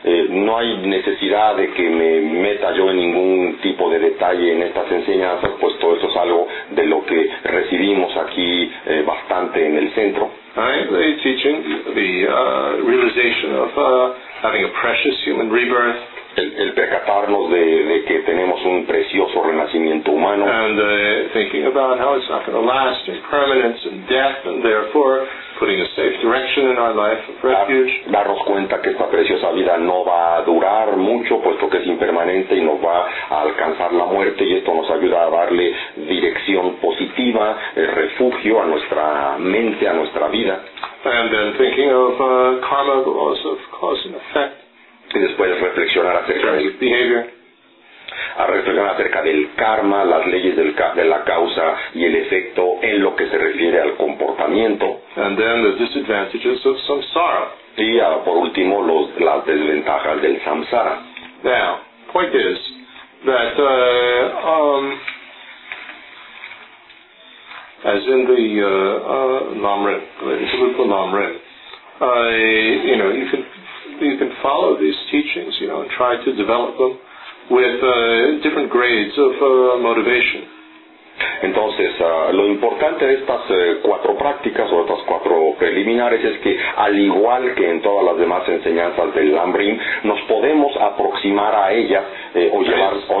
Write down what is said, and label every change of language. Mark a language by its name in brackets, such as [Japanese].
[Spanish] No hay necesidad de que me meta yo en ningún tipo de detalle en estas enseñanzas, pues todo esto es algo de lo que recibimos aquí bastante en el centro. [English] The teaching, the realization of having a precious human rebirth. [Spanish] El percatarnos de que tenemos un precioso renacimiento humano. [English] And thinking about how it's not going to last, and permanence, and death, and therefore putting a safe direction in our life of refuge. [Spanish] Darnos cuenta que esta preciosa vida no va a durar mucho, puesto que es impermanente y nos va a alcanzar la muerte, y esto nos ayuda a darle dirección positiva, refugio a nuestra mente, a nuestra vida. [English] And then thinking of karma, the laws of cause and effect. [Spanish] Y después reflexionar acerca del [English] behavior. [Spanish] A reflexionar acerca del karma, las leyes de la causa y el efecto en lo que se refiere al comportamiento. [English] And then the disadvantages of samsara. [Spanish] Y por último las desventajas del samsara. [English] Now, point is that as in the Lam Rim, you can follow these teachings, you know, and try to develop them with different grades of motivation. [Spanish] Entonces, lo importante de estas cuatro prácticas o estas cuatro preliminares es que, al igual que en todas las demás enseñanzas del Lam Rim, nos podemos aproximar a ellas o llevar.